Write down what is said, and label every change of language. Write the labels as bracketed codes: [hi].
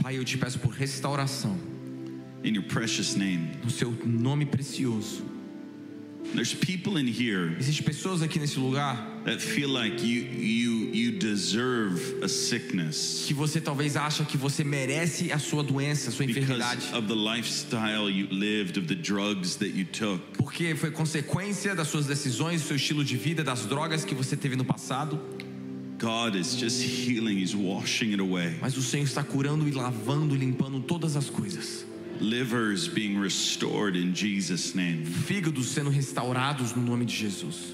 [pt] Pai, eu te peço por restauração. [en] In your precious name. [pt] No seu nome precioso. [en] There's people in here. [pt] Existem pessoas aqui nesse lugar. [en] That feel like you deserve a sickness. [pt] Que você talvez acha que você merece a sua doença, a sua enfermidade. [en] Because of the lifestyle you lived, of the drugs that you took. [pt] Porque foi consequência das suas decisões, do seu estilo de vida, das drogas que você teve no passado. [en] God is just healing, he's washing it away. [pt] Mas o Senhor está curando e lavando, limpando todas as coisas. [en] Livers being restored in Jesus' name. [pt] Fígados sendo restaurados no nome de Jesus.